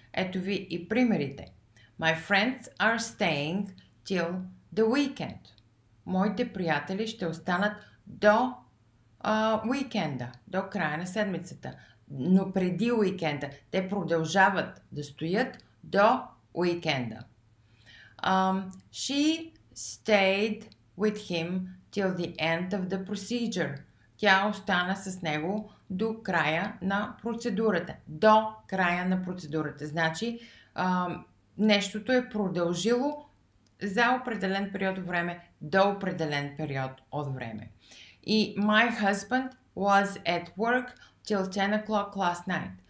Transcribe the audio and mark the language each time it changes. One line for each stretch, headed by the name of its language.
Bulgarian: Ето ви и примерите.
English: My friends are staying till the weekend.
Bulgarian: Моите приятели ще останат до уикенда, до края на седмицата. Но преди уикенда. Те продължават да стоят до уикенда.
English: She stayed with him till the end of the procedure.
Bulgarian: Тя остана с него до края на процедурата. До края на процедурата. Значи, нещото е продължило за определен период от време, до определен период от време.
English: И my husband was at work till 10 o'clock last night.